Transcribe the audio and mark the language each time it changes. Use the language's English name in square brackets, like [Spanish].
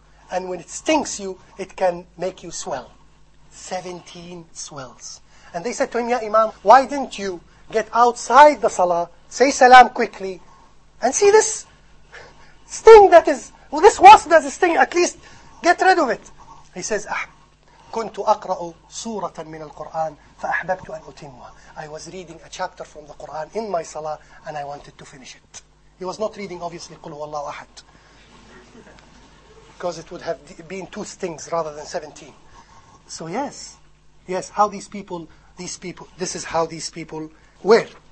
[English] And when it stings you, it can make you swell. 17 swells. And they said to him, Ya Imam, why didn't you get outside the salah, say salam quickly, and see this sting that is... Well, this wasp does this thing, at least get rid of it. He says, [Arabic] كنت أقرأ سورة من القرآن فأحببت أن أتمها. [English] I was reading a chapter from the Quran in my salah and I wanted to finish it. He was not reading, obviously, [Arabic] قل هو الله أحد. [English] Because it would have been two stings rather than 17. So yes, how these people, this is how these people were.